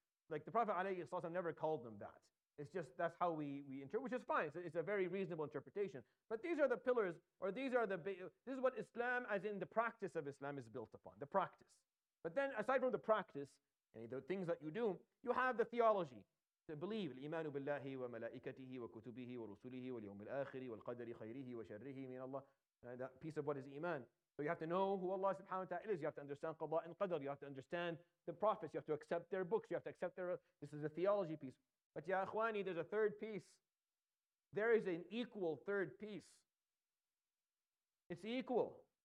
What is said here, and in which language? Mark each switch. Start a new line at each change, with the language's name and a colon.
English: Like the Prophet ﷺ never called them that. It's just that's how we interpret, which is fine. It's a very reasonable interpretation. But these are the pillars, or this is what Islam, as in the practice of Islam, is built upon. The practice. But then, aside from the practice, any of the things that you do, you have the theology. To believe,
Arabic: الإيمان بالله وملائكته وكتبه ورسله واليوم الآخر والقدر خيره وشره من الله.
English: That piece of what is Iman. So you have to know who Allah subhanahu wa ta'ala is. You have to understand qada and qadr. You have to understand the prophets. You have to accept their books. You have to accept their... This is a theology piece. But ya akhwani, there's a third piece. There is an equal third piece. It's equal.